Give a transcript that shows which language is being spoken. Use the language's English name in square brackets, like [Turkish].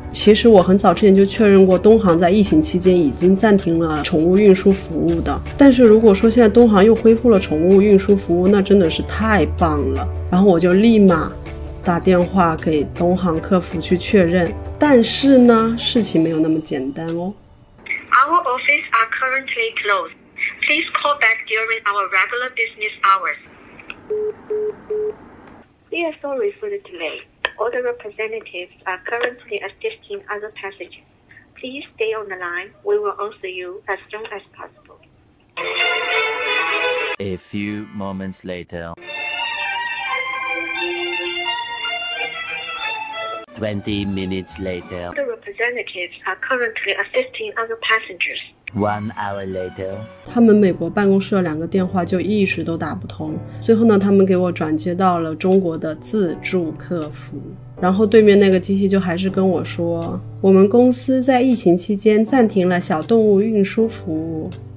[Chinese] 其实我很早之前就确认过，东航在疫情期间已经暂停了宠物运输服务的，但是如果说现在东航又恢复了宠物运输服务，那真的是太棒了。然后我就立马打电话给东航客服去确认，但是呢事情没有那么简单哦。 [English] Our office are currently closed. Please call back during our regular business hours. We are sorry for the delay. All the representatives are currently assisting other passengers. Please stay on the line. We will answer you as soon as possible. A few moments later. 20 minutes later. All the representatives are currently assisting other passengers. 1 hour later， [Chinese] 他们美国办公室的两个电话就一直都打不通。最后呢，他们给我转接到了中国的自助客服，然后对面那个机器就还是跟我说，我们公司在疫情期间暂停了小动物运输服务。